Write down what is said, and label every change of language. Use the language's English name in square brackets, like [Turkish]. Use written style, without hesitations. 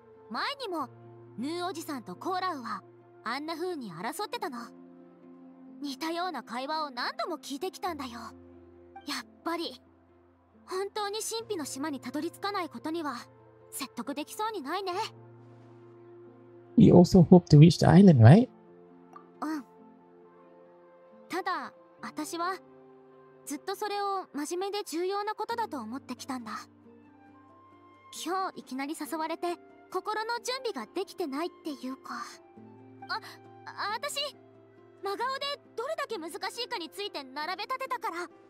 [Japanese] 前にもヌーおじさんとコーラウはあんな風に争ってたの。似たような会話を何度も聞いてきたんだよ。やっぱり本当に神秘の島にたどり着かないことには説得できそうにないね。 [English] He also hoped to reach the island, right? [Japanese] うん。ただ、私はずっとそれを真面目で重要なことだと思ってきたんだ。今日いきなり誘われて心の準備ができてないっていうか。私、真顔でどれだけ難しいかについて並べ立てたから。